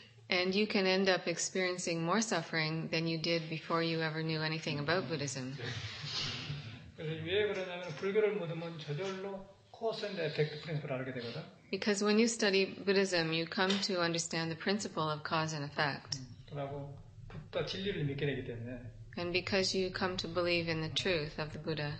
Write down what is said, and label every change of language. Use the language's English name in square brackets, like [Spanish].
[English] And you can end up experiencing more suffering than you did before you ever knew anything about Buddhism. [Korean] 그래서 왜 그러냐면 불교를 모르면 저절로 [English] cause and effect principle [Korean] 를 알게 되거든. [English] Because when you study Buddhism, you come to understand the principle of cause and effect. [Korean] 그리고 부다 진리를 믿게 되기 때문에. [English] And because you come to believe in the truth of the Buddha.